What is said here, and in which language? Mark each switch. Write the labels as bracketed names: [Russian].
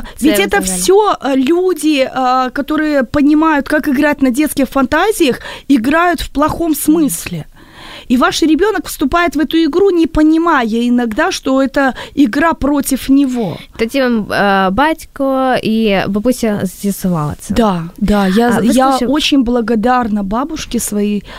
[Russian] Ведь это все люди, которые понимают, как играть на детских фантазиях, играют в плохом смысле. И ваш ребенок вступает в эту игру, не понимая иногда, что это игра против него. [Ukrainian] Тоді вам батько и бабуся з'ясували це. [Russian] Да, да. Я очень благодарна бабушке своей.